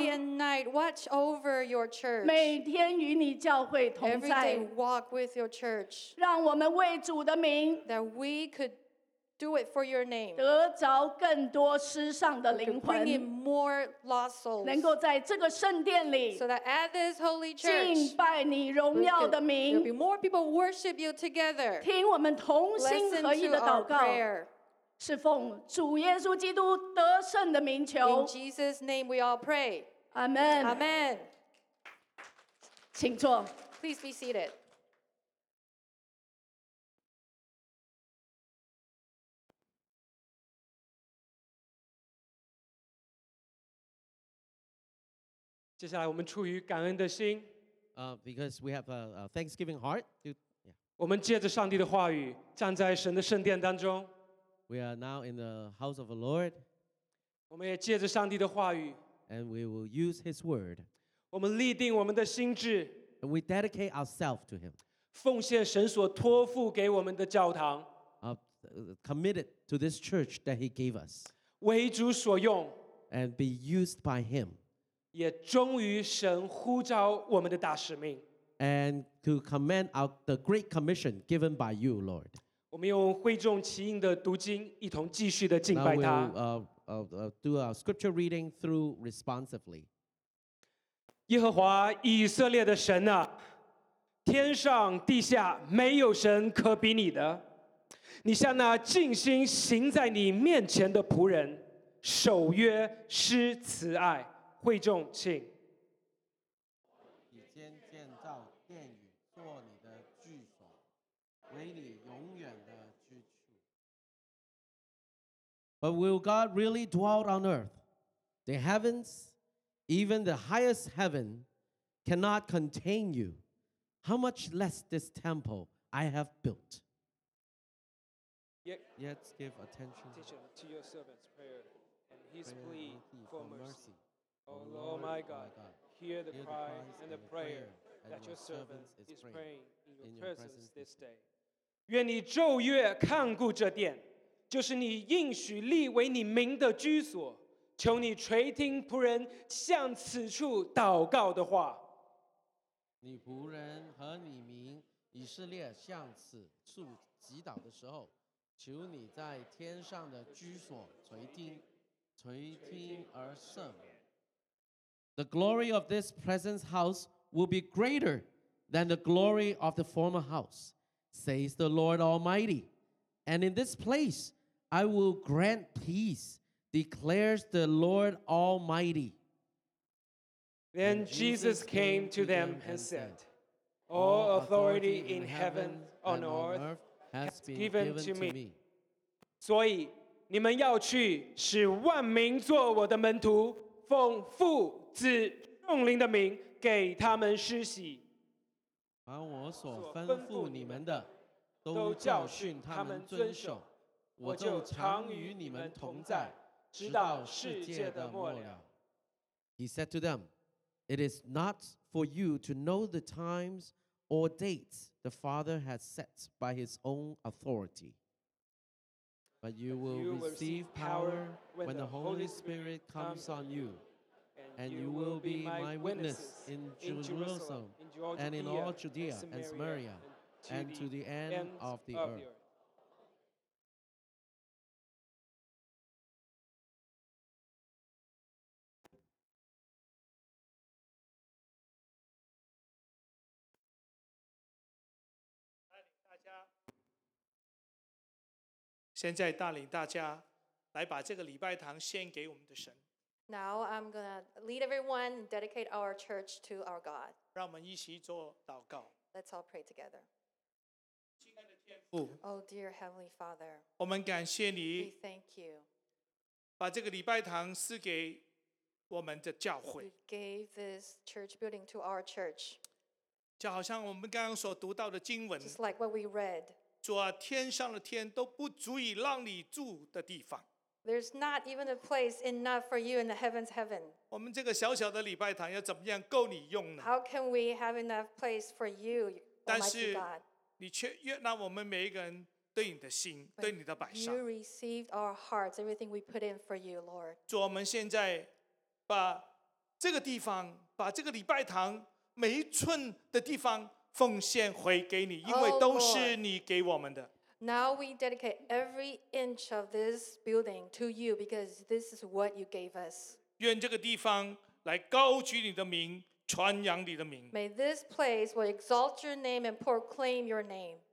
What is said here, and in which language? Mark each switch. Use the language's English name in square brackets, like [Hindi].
[English] Day and night, watch over your church. [Chinese] 每天与你教会同在 [English] Every day, walk with your church. [Chinese] 让我们为主的名 [English] That we could do it for your name. [Chinese] 得着更多失丧的灵魂 [English] Bring in more lost souls. [Chinese] 能够在这个圣殿里 [English] So that at this holy church, [Chinese] 敬拜你荣耀的名 [English] There will be more people worship you together. [Chinese] 听我们同心合意的祷告 [English] Listen to our prayer. [Chinese] 是奉主耶稣基督得胜的名求。 [English] In Jesus' name we all pray. Amen. Amen. [Chinese] 请坐。 [English] Please be seated. [Chinese] 接下来我们出于感恩的心。 [English] Because we have a thanksgiving heart. [Chinese] 我们借着上帝的话语站在神的圣殿当中。 [English] We are now in the house of the Lord. [Chinese] 我们也借着上帝的话语 [English] And we will use His word. [Chinese] 我们立定我们的心志 [English] And we dedicate ourselves to Him. [Chinese] 奉献神所托付给我们的教堂 [English] committed to this church that he gave us [Chinese] 为主所用 [English] and be used by him [Chinese] 也忠于神呼召我们的大使命 [English] and to command out the great commission given by you, Lord [Chinese] 我们用会众起应的读经一同继续的敬拜他 [English] do our scripture reading through responsively [Chinese] 耶和华以色列的神啊天上地下没有神可比你的你像那尽心行在你面前的仆人守约施慈爱会众请你先建造殿宇做你的居所为你永远的居处 [English] But will God really dwell on earth? The heavens, even the highest heaven, cannot contain youHow much less this temple I have built. Yet give attention to your servant's prayer and his plea for mercy. O Lord my God, hear the cry and the prayer that your servant is praying in your presence this day. [Chinese] 愿你昼夜看顾这殿，就是你应许立为你名的居所。求你垂听仆人向此处祷告的话。你仆人和你民以色列向此处祈祷的时候，求你在天上的居所垂听而赦免。 [English] The glory of this present house will be greater than the glory of the former house, says the Lord Almighty. And in this place I will grant peace, declares the Lord Almighty. Then Jesus came to them and said, All authority in heaven and on earth has been given to me. [Chinese] 所以你们要去使万民做我的门徒奉父子圣灵的名给他们施洗。把我所吩咐你们的都教训他们遵守我就常与你们同在直到世界的末了。 [English] He said to them,It is not for you to know the times or dates the Father has set by his own authority. But you will receive power when the Holy Spirit comes on you, and you will be my witness in Jerusalem and in all Judea and Samaria and to the end of the earth. [Chinese] 现在带领大家来把这个礼拜堂献给我们的神。 [English] Now I'm going to lead everyone and dedicate our church to our God. [Chinese] 让我们一起做祷告。 [English] Let's all pray together. [Chinese] 亲爱的天父 [English] Oh dear Heavenly Father. [Chinese] 我们感谢你 [English] We thank you. [Chinese] 把这个礼拜堂赐给我们的教会。 [English] You gave this church building to our church. [Chinese] 就好像我们刚刚所读到的经文。 [English] Just like what we read. [Chinese] 主啊，天上的天都不足以让你住的地方。 [English] There's not even a place enough for you in the heaven's heaven. [Chinese] 我们这个小小的礼拜堂要怎么样够你用呢 [English] ？How can we have enough place for you, Almighty God? [Chinese] 但是你却悦纳我们每一个人对你的心，对你的摆上。 [English] You received our hearts, everything we put in for you, Lord. [Chinese] 主，我们现在把这个地方，把这个礼拜堂每一寸的地方。奉献回给你，因为都是你给我们的。 [English] Now we dedicate every inch of this building to you because this is what you gave us. [Chinese] 愿这个地方来高举你的名，传扬你的名。 [English] May this place will exalt your name and proclaim your name.